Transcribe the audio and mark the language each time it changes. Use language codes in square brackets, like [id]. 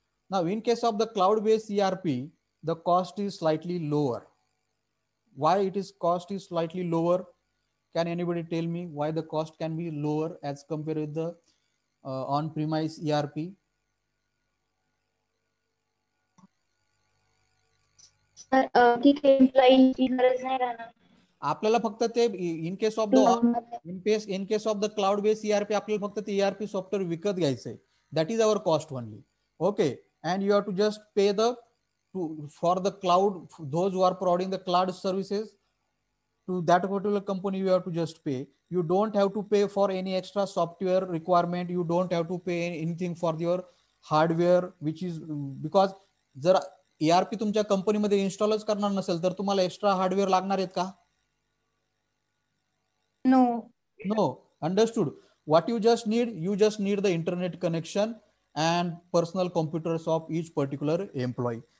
[en] Now in case of the cloud-based ERP, the cost is slightly lower. Why it is cost is slightly lower? Can anybody tell me why the cost can be lower as compared with the on-premise ERP? [mr] आपल्याला फक्त ते in case of the cloud based ERP आपल्याला फक्त ते ERP software विकत घ्यायचंय, [en] That is our cost only, okay, and you have to just pay the to for the cloud, those who are providing the cloud services to that particular company you have to just pay. You don't have to pay for any extra software requirement. You don't have to pay anything for your hardware, which is because [mr] जर ERP तुमच्या कंपनीमध्ये इन्स्टॉलच करणार नसेल तर तुम्हाला extra hardware लागणार आहेत का? [en] No no, understood. What you just need, you just need the internet connection and personal computers of each particular employee.